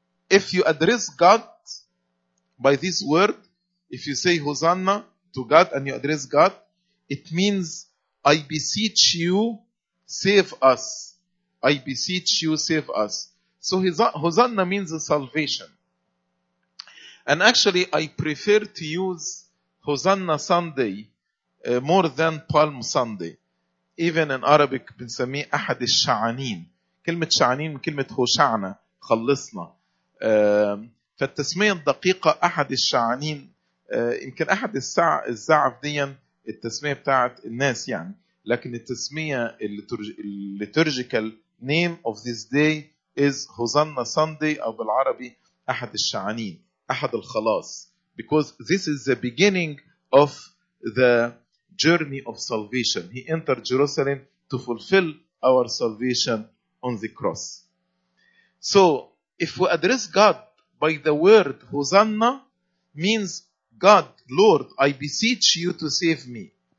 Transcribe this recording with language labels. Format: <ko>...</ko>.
<en>If you address God by this word, if you say Hosanna to God and you address God, it means, I beseech you, save us. I beseech you, save us. So Hosanna means salvation. And actually, I prefer to use Hosanna Sunday more than Palm Sunday. Even in Arabic,</en> <ar>بنسميه أحد الشعانين. كلمة شعانين من كلمة هوشعنا. خلصنا. فالتسمية الدقيقة أحد الشعانين. يمكن أحد الزعف دي التسمية بتاعت الناس يعني. لكن التسمية الليتورجيكال</ar> <en>name of this day is Hosanna Sunday,</en> <ar>أو بالعربي أحد الشعانين. أحد الخلاص.</ar> <en>Because this is the beginning of the journey of salvation. He entered Jerusalem to fulfill our salvation on the cross. So, if we address God by the word Hosanna, means God, Lord, I beseech you to save me.</en>